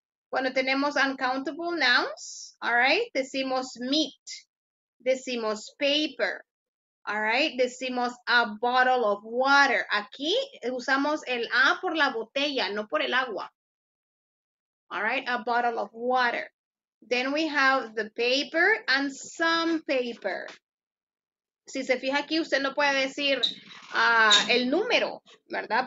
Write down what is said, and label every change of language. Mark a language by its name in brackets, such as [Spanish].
[Spanish] Cuando tenemos [English] uncountable nouns, all right, decimos meat, decimos paper, all right, decimos a bottle of water. [Spanish] Aquí usamos el A por la botella, no por el agua. [English] All right, a bottle of water. Then we have the paper and some paper. [Spanish] Si se fija aquí, usted no puede decir el número, ¿verdad?